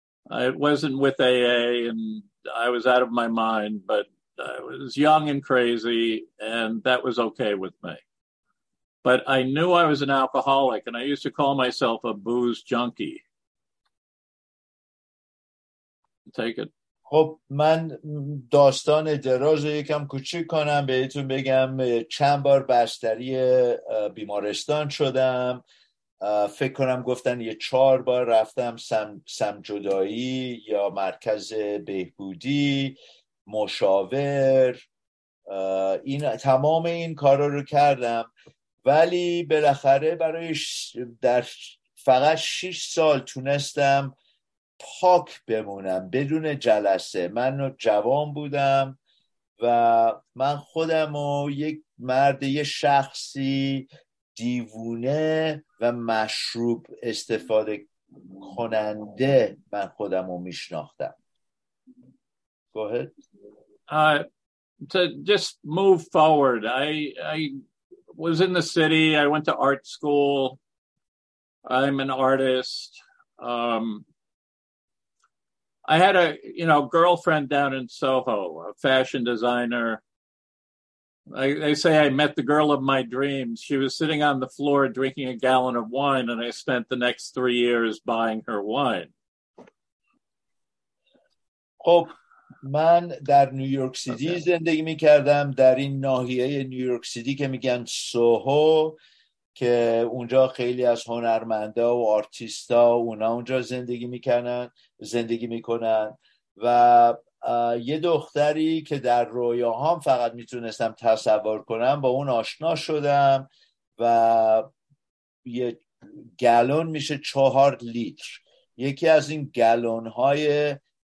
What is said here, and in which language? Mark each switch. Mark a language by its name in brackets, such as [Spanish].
[English] I wasn't with AA and I was out of my mind, but I was young and crazy, and that was okay with me. But I knew I was an alcoholic, and I used to call myself a booze junkie. Take it. [Persian] خب من داستان دراز رو یکم کوچیک کنم، بهتون بگم چند بار بستری بیمارستان شدم، فکر کنم گفتن یه 4 بار رفتم سم جدایی یا مرکز بهبودی، مشاور، این تمام این کارا رو کردم، ولی بالاخره برای در فقط 6 سال تونستم پاک بمونم بدون جلسه. من جوان بودم و من خودم رو یک مرد، یه شخصی دیوونه و مشروب استفاده کننده من خودم رو میشناختم. [English] Go ahead. To just move forward, I was in the city. I went to art school. I'm an artist. I had a, you know, girlfriend down in Soho, a fashion designer. They say I met the girl of my dreams. She was sitting on the floor drinking a gallon of wine, and I spent the next 3 years buying her wine. [Persian] خب من در نیویورک سیتی زندگی میکردم، در این ناحیه نیویورک سیتی که میگن سوهو، که اونجا خیلی از هنرمندا و آرتیستا اونا اونجا زندگی میکنن و یه دختری که در رویاهام فقط میتونستم تصور کنم با اون آشنا شدم و یه گالون میشه 4 لیتر، یکی از این گالون های